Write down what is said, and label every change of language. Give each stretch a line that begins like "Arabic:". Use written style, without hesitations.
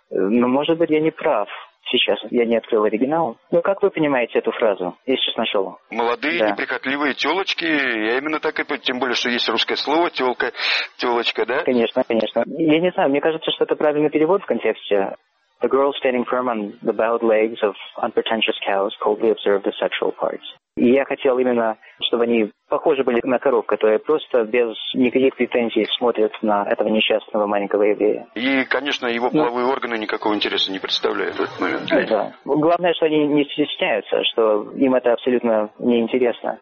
Russian: Но, может быть, я не прав сейчас, я не открыл оригинал. Но как вы понимаете эту фразу, я сейчас нашел? Молодые, да. Неприхотливые телочки, я именно так и понимаю, тем более, что есть русское слово «телка», «телочка», да? Конечно, конечно. Я не знаю, мне кажется, что это правильный перевод в контексте.
English: The girl standing firm on the bowed legs of unpretentious cows coldly observed the sexual parts.
Russian: И я хотел именно, чтобы они похожи были на коров, которые просто без никаких претензий смотрят на этого несчастного маленького еврея. И, конечно, его половые органы никакого интереса не представляют в этот момент. Да. Главное, что они не стесняются, что им это абсолютно неинтересно.